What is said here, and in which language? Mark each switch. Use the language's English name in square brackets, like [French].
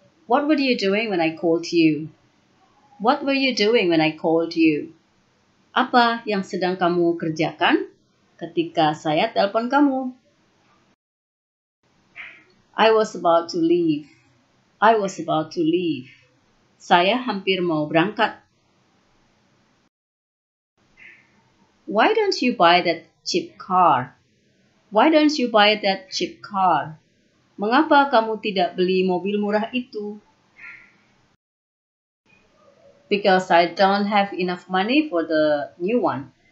[English] What were you doing when I called you? What were you doing when I called you? [Indonesian] Apa yang sedang kamu kerjakan ketika saya telepon kamu. [English] I was about to leave. [Indonesian] Saya hampir mau berangkat. [English] Why don't you buy that cheap car? Why don't you buy that cheap car? [Indonesian] Mengapa kamu tidak beli mobil murah itu? [English] Because I don't have enough money for the new one.